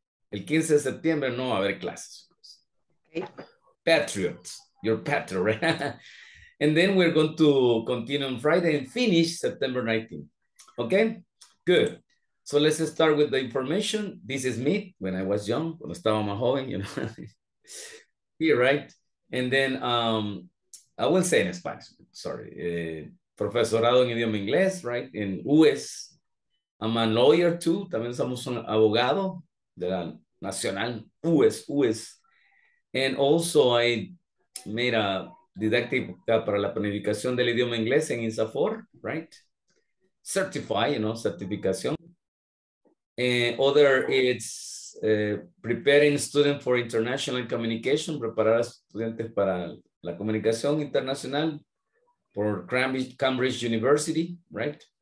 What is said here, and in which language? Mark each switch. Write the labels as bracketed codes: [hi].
[es] El 15 de septiembre no va a haber clases. [en] Patriots, you're patriot, right? And then we're going to continue on Friday and finish September 19th. Okay, good. So let's start with the information. This is me when I was young, [es] cuando estaba más joven, [en] you know. Here, right? And then I will say in Spanish, sorry. [es] Profesorado en idioma inglés, [en] right? In US. I'm a lawyer too. [es] También somos un abogado de la nacional, US. [en] And also I made a [es] didáctica para la planificación del idioma inglés [en] en INSAFOR, right? Certify, you know, certificación. Other, it's preparing students for international communication, [es] preparar a estudiantes para la comunicación internacional [en] por Cambridge University, right?